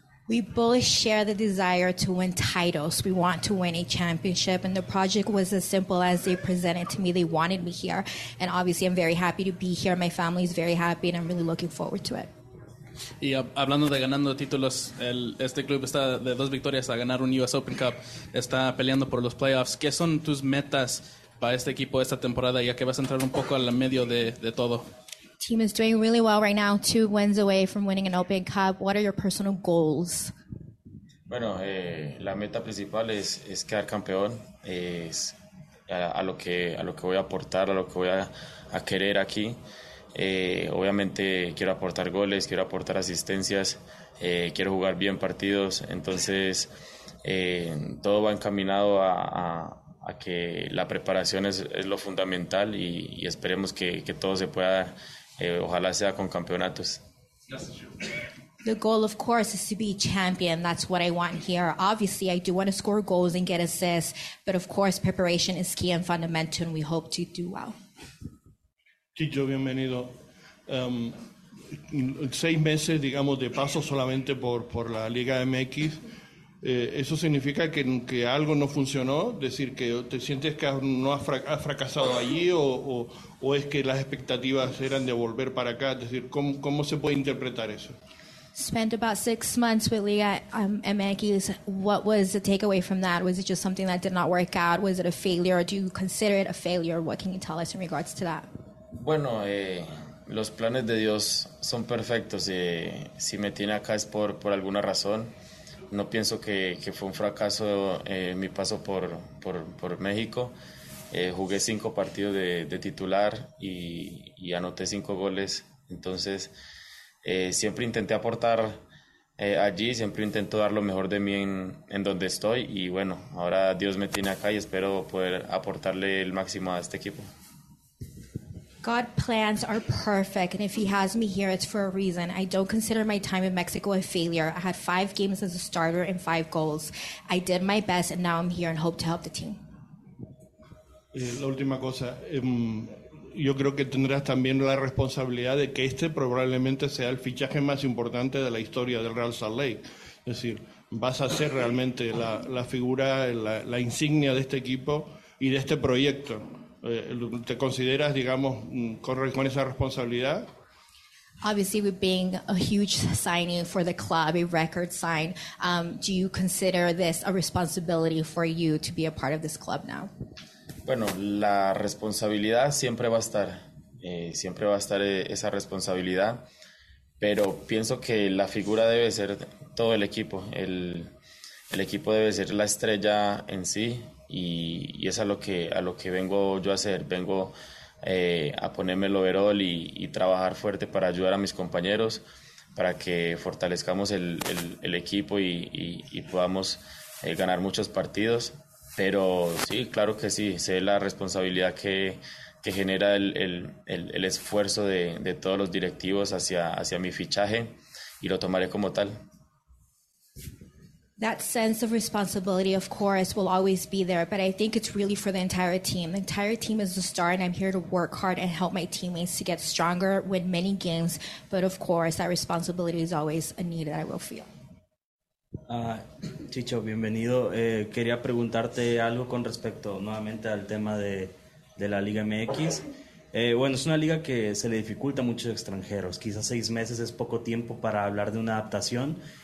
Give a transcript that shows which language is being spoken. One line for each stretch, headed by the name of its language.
English: We both share the desire to win titles. We want to win a championship, and the project was as simple as they presented to me. They wanted me here, and obviously I'm very happy to be here. My family is very happy, and I'm really looking forward to it.
Spanish: Y hablando de ganando títulos, este club está de dos victorias a ganar un US Open Cup, está peleando por los playoffs. ¿Qué son tus metas para este equipo esta temporada, ya que vas a entrar un poco al medio de todo?
English: Team is doing really well right now, two wins away from winning an Open Cup. What are your personal goals?
Spanish: Bueno, la meta principal es quedar campeón. Es a lo que voy a aportar, a lo que voy a querer aquí. Obviamente quiero aportar goles, quiero aportar asistencias, quiero jugar bien partidos. Entonces, todo va encaminado a que la preparación es lo fundamental, y esperemos que todo se pueda dar Ojalá sea con campeonatos.
English: The goal, of course, is to be champion. That's what I want here. Obviously, I do want to score goals and get assists, but of course, preparation is key and fundamental, and we hope to do well.
Spanish: Chicho, bienvenido. Seis meses, digamos, de paso solamente por la Liga MX. Eso significa que algo no funcionó. Decir que te sientes que has fracasado allí o es que las expectativas eran de volver para acá. Decir, ¿cómo se puede interpretar eso?
English: Spent about 6 months with Liga MX. What was the takeaway from that? Was it just something that did not work out? Was it a failure? Do you consider it a failure? What can you tell us in regards to that?
Spanish: Bueno, los planes de Dios son perfectos. Si me tiene acá es por alguna razón. No pienso que fue un fracaso mi paso por México. Jugué 5 partidos de titular y anoté 5 goles. Entonces, siempre intenté aportar allí, siempre intento dar lo mejor de mí en donde estoy. Y bueno, ahora Dios me tiene acá y espero poder aportarle el máximo a este equipo.
English: God's plans are perfect, and if he has me here, it's for a reason. I don't consider my time in Mexico a failure. I had 5 games as a starter and 5 goals. I did my best, and now I'm here and hope to help the team.
Spanish: La última cosa. Yo creo que tendrás también la responsabilidad de que este probablemente sea el fichaje más importante de la historia del Real Salt Lake. Es decir, vas a ser realmente la figura, la insignia de este equipo y de este proyecto. ¿Te consideras, digamos, con esa responsabilidad?
English: Obviously, with being a huge signing for the club, a record sign, do you consider this a responsibility for you to be a part of this club now?
Spanish: Bueno, la responsabilidad siempre va a estar. Siempre va a estar esa responsabilidad. Pero pienso que la figura debe ser todo el equipo. El equipo debe ser la estrella en sí. Y es a lo que vengo yo a hacer. Vengo a ponerme el overall y trabajar fuerte para ayudar a mis compañeros, para que fortalezcamos el equipo y podamos ganar muchos partidos. Pero sí, claro que sí, sé la responsabilidad que genera el esfuerzo de todos los directivos hacia mi fichaje y lo tomaré como tal.
English: That sense of responsibility, of course, will always be there, but I think it's really for the entire team. The entire team is the star, and I'm here to work hard and help my teammates to get stronger, win many games, but of course, that responsibility is always a need that I will feel.
Spanish: Chicho, bienvenido. Quería preguntarte algo con respecto nuevamente al tema de la Liga MX. Bueno, es una liga que se le dificulta a muchos extranjeros. Quizás 6 meses es poco tiempo para hablar de una adaptación.